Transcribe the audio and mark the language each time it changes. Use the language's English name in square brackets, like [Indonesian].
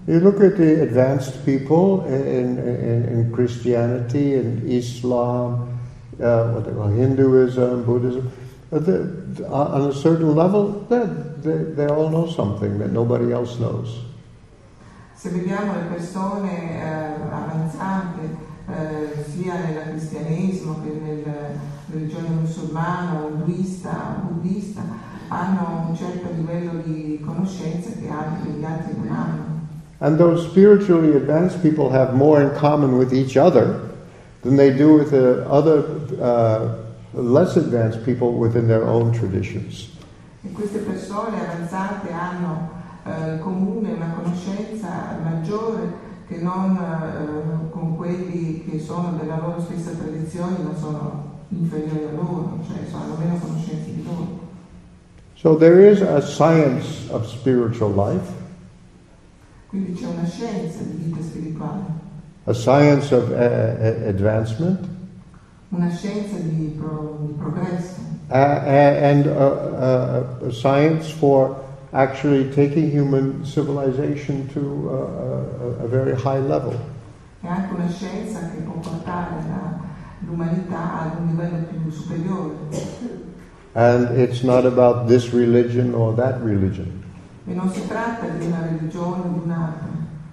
[English] You look at the advanced people in Christianity, in Islam, what they call Hinduism, Buddhism. On a certain level, they all know something that nobody else knows. [Italian] Se vediamo le persone avanzate, sia nel cristianesimo che nella religione musulmana, induista, buddista, hanno un certo livello di conoscenza che altri gli altri non hanno. [English] And those spiritually advanced people have more in common with each other than they do with the other less advanced people within their own traditions. [Italian] E queste persone avanzate hanno comune una conoscenza maggiore che non con quelli che sono della loro stessa tradizione, ma sono inferiori a loro, cioè hanno meno conoscenze di loro. [English] So there is a science of spiritual life. [Italian] Quindi c'è una scienza di vita spirituale. [English] A science of advancement. [Italian] Una scienza di progresso. [English] A science for actually taking human civilization to a very high level. [Italian] E anche una scienza che può portare l'umanità ad un livello più superiore. [English] And it's not about this religion or that religion. [Italian] E non si tratta di una religione o di un'altra.